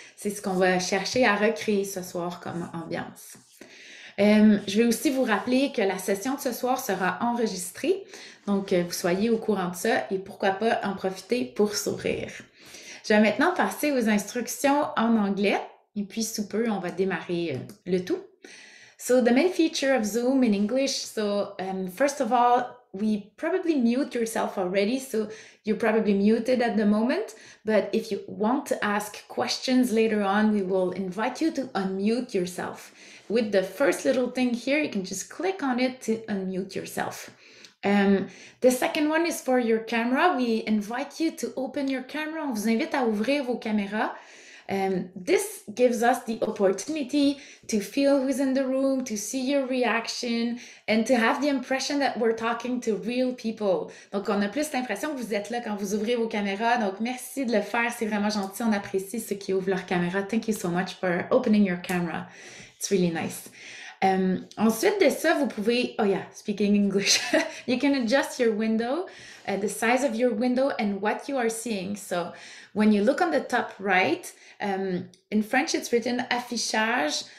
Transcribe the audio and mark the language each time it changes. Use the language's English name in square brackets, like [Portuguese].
[French] C'est ce qu'on va chercher à recréer ce soir comme ambiance. Je vais aussi vous rappeler que la session de ce soir sera enregistrée, donc vous soyez au courant de ça et pourquoi pas en profiter pour sourire. Je vais maintenant passer aux instructions en anglais et puis sous peu, on va démarrer le tout. [English] So, the main feature of Zoom in English, so first of all, we probably mute yourself already, so you're probably muted at the moment, but if you want to ask questions later on, we will invite you to unmute yourself. With the first little thing here, you can just click on it to unmute yourself. The second one is for your camera. We invite you to open your camera. [French] On vous invite à ouvrir vos caméras. [English] This gives us the opportunity to feel who's in the room, to see your reaction, and to have the impression that we're talking to real people. [French] Donc, on a plus l'impression que vous êtes là quand vous ouvrez vos caméras. Donc, merci de le faire. C'est vraiment gentil. On apprécie ceux qui ouvrent leur caméra. [English] Thank you so much for opening your camera. It's really nice. [French] Ensuite de ça, vous pouvez... [English] Oh yeah, speaking English. You can adjust your window, the size of your window and what you are seeing. So when you look on the top right, in French, it's written affichage.